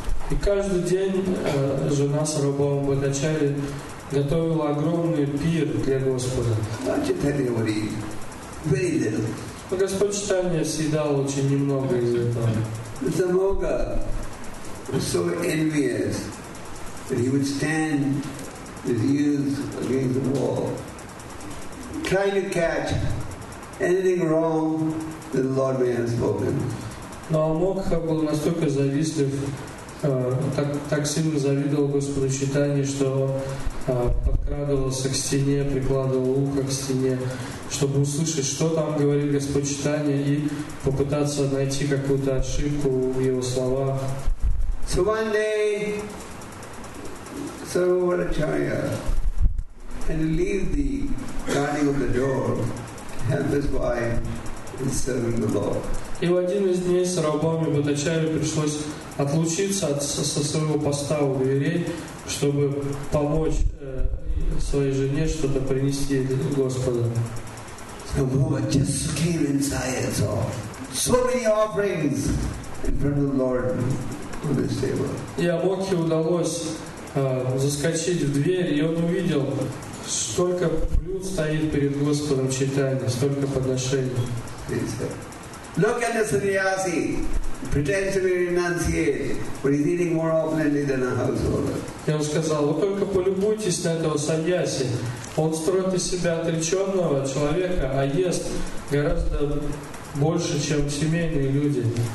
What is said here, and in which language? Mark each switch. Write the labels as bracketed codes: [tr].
[ru] И каждый день жена Сарвабхаума Бхаттачарья готовила огромный пир для Господа. Но Господь Чайтанья съедал очень немного из этого. [en] The Mugha was so envious that he would stand with ears against the wall, trying to catch anything wrong that the Lord may have spoken. [ru] Но Амокха был настолько завистлив, так сильно завидовал Господу Чайтанье, что подкрадывался к стене, прикладывал ухо к стене, чтобы услышать, что там говорит Господь Чайтанья, и попытаться найти какую-то ошибку в его словах. [en] So one day, Sarvabhauma Bhattacharya had to leave the guarding of the door to help his wife in serving the Lord. [ru] И в один из дней Сарвабхауме Бхаттачарье пришлось отлучиться со своего поста у дверей, чтобы помочь своей жене что-то принести Господу. [en] So Mugha just came inside and saw so many offerings in front of the Lord on this table. [ru] И Амокхе удалось заскочить в дверь, и он увидел, столько блюд стоит перед Господом Чайтанья, столько подношений. [en] Look at the sannyasi, pretends to be renunciate, but he's eating more openly than a householder. [ru] И он сказал: вы только полюбуйтесь на этого саньяси. Он строит из себя отреченного человека, а ест гораздо больше, чем семейные люди.